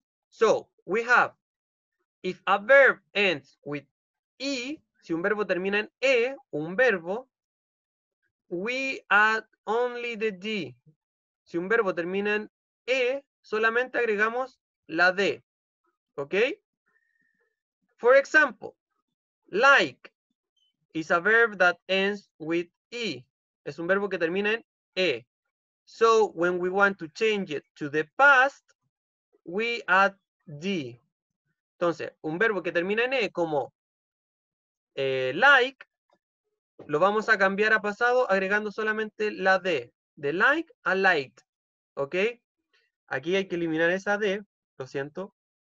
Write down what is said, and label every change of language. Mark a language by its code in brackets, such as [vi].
[en] So, we have, if a verb ends with e, [es] si un verbo termina en e, un verbo, [en] we add only the d. [es] Si un verbo termina en e, solamente agregamos la D, ¿ok? [en] For example, like is a verb that ends with E. [es] Es un verbo que termina en E. [en] So, when we want to change it to the past, we add D. [es] Entonces, un verbo que termina en E como like, lo vamos a cambiar a pasado agregando solamente la D. De like a liked, ¿ok? Aquí hay que eliminar esa D, lo siento.